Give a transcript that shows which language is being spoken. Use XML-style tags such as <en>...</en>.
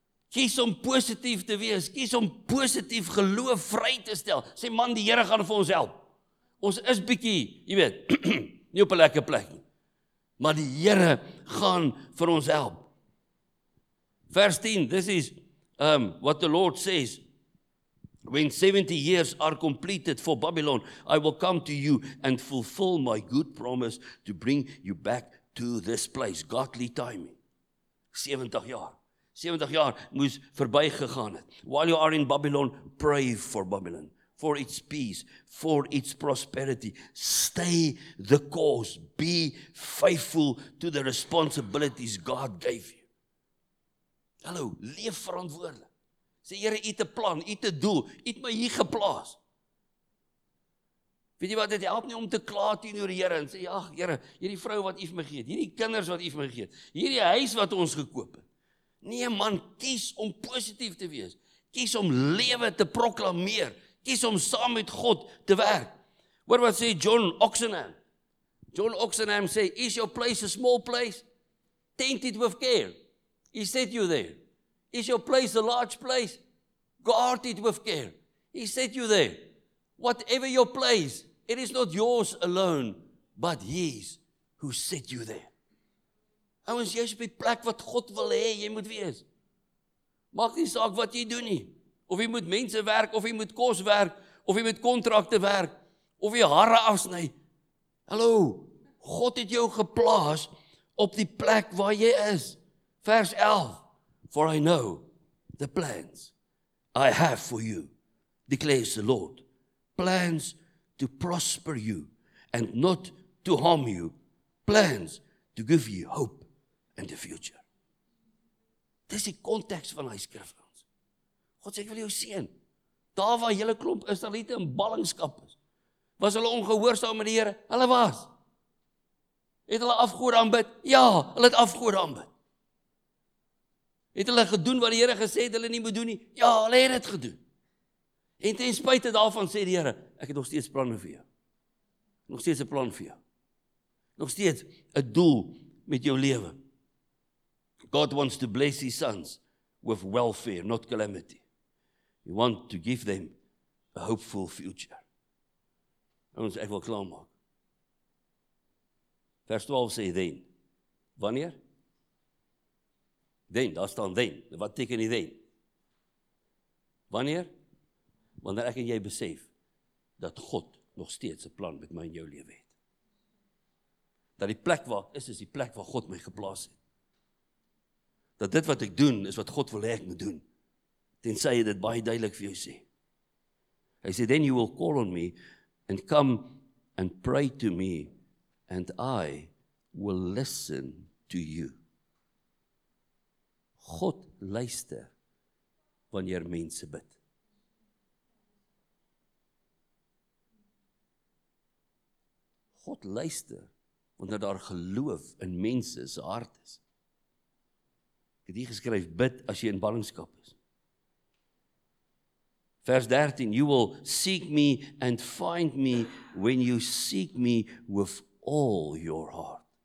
<af>Kies om positief te wees. Kies om positief geloof vry te stel. Sê, man, die Here gaan vir ons help. Ons is bietjie, jy weet, nie op 'n lekker plek nie. Maar die Here gaan vir ons help.</af> <en>Vers 10, this is what the Lord says. When 70 years are completed for Babylon, I will come to you and fulfill my good promise to bring you back to this place. Godly timing.</en> <af>70 jaar. 70 jaar moes verby gegaan het.</af> <en>While you are in Babylon, pray for Babylon, for its peace, for its prosperity. Stay the course. Be faithful to the responsibilities God gave you.</en> <af>Hallo, leef verantwoordelik. Sê, Here, U het 'n plan, U het 'n doel, U het my hier geplaas. Weet jy wat, dit help nie om te kla teenoor die Here en sê, ag, Here, hierdie vrou wat U vir my gee, hierdie kinders wat U vir my gee, hierdie huis wat ons gekoop het. Nee, man, kies om positief te wees. Kies om lewe te proklameer. Kies om saam met God te werk. Hoor wat sê John Oxenham.</af> <en>John Oxenham sê, is your place a small place? Tent it with care. He set you there. Is your place a large place? Guard it with care. He set you there. Whatever your place, it is not yours alone, but His who set you there.</en> <af>Ouens, jy is op die plek wat God wil hê, jy moet wees. Maak nie saak wat jy doen nie. Of jy moet mense werk, of jy moet kos werk, of jy moet kontrakte werk, of jy hare afsny. Hallo, God het jou geplaas op die plek waar jy is. Vers 11.</af> <en>For I know the plans I have for you, declares the Lord. Plans to prosper you and not to harm you. Plans to give you hope and the future.</en> <af>Dis die konteks van hy skrif vir ons. God sê, ek wil jou seën. Daar waar hele klomp Israeliete in ballingskap is, was hulle ongehoorsaam met die Here? Hulle was. Het hulle afgode aanbid? Ja, hulle het afgode aanbid. Het hulle gedoen wat die Here gesê het hulle nie moet doen nie? Ja, hulle het dit gedoen. En ten spyte daarvan sê die Here, ek het nog steeds planne vir jou. Nog steeds 'n plan vir jou. Nog steeds 'n doel met jou lewe.</af> <en>God wants to bless his sons with welfare, not calamity. He wants to give them a hopeful future.</en> <af>Ons ek wil klaarmaak. Vers 12 sê then. Wanneer? Then, daar staan then. Wat teken die then? Wanneer? Wanneer ek en jy besef dat God nog steeds 'n plan met my en jou lewe het. Dat die plek waar is, is die plek waar God my geplaas het. Dat dit wat ek doen, is wat God wil hê ek moet doen. Tensy hy dit baie duidelik vir jou sê. Hy sê,</af> <en>then you will call on me and come and pray to me and I will listen to you.</en> <af>God luister wanneer mense bid. God luister wanneer daar geloof in mense se hart is. Ek het hier geskryf, bid as jy in ballingskap is.</af> <en>Vers 13, you will seek me and find me when you seek me with all your heart.</en>